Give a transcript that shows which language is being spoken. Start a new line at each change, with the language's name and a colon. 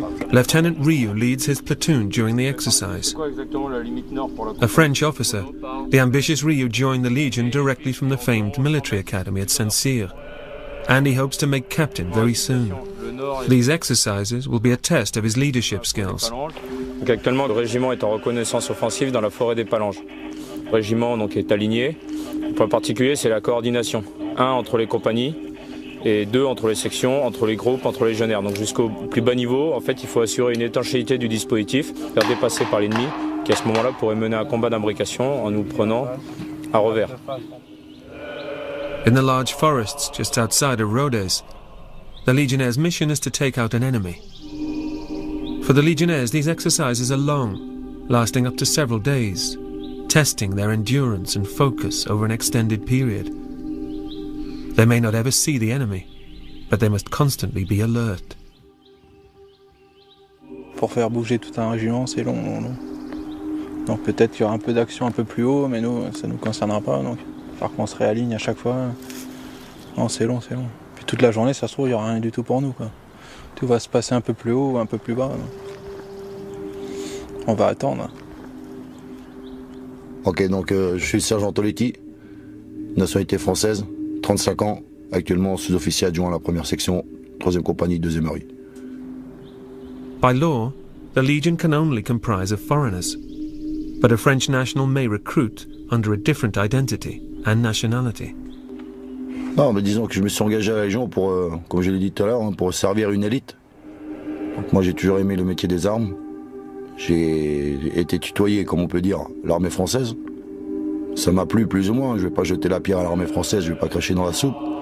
English: Lieutenant Riou leads his platoon during the exercise. A French officer, the ambitious Riou joined the Legion directly from the famed military academy at Saint-Cyr, and he hopes to make captain very soon. These exercises will be a test of his leadership skills.
French: Actuellement, le régiment est en reconnaissance offensive dans la forêt des Palanges. Le régiment donc est aligné. Le point particulier, c'est la coordination. 1 entre les compagnies et 2 entre les sections, entre les groupes, entre les légionnaires. Donc jusqu'au plus bas niveau, en fait, il faut assurer une étanchéité du dispositif, faire dépasser par l'ennemi, qui à ce moment-là pourrait mener un combat d'imbrication en nous prenant à revers.
English: In the large forests just outside of Rodez, the Legionnaires' mission is to take out an enemy. For the Legionnaires, these exercises are long, lasting up to several days, testing their endurance and focus over an extended period. They may not ever see the enemy, but they must constantly be alert.
French: Pour faire bouger tout un régiment, c'est long, long, long. Donc peut-être qu'il y aura un peu d'action un peu plus haut, mais nous, ça nous concernera pas. Donc, par contre, on se réaligne à chaque fois. Non, c'est long, c'est long. Puis toute la journée, ça se trouve, il y aura rien du tout pour nous, quoi. Tout va se passer un peu plus haut ou un peu plus bas. Donc. On va attendre. Ok, donc je suis sergent Toletti, nationalité française, 35 ans, actuellement sous-officier adjoint à la 1ère section, 3ème compagnie, 2ème rue.
English: By law, the Legion can only comprise of foreigners, but a French national may recruit under a different identity and nationality.
French: Non, mais disons que je me suis engagé à la Légion pour, comme je l'ai dit tout à l'heure, pour servir une élite. Donc moi j'ai toujours aimé le métier des armes. J'ai été tutoyé, comme on peut dire, l'armée française. Ça m'a plu plus ou moins, je ne vais pas jeter la pierre à l'armée française, je ne vais pas cracher dans la soupe.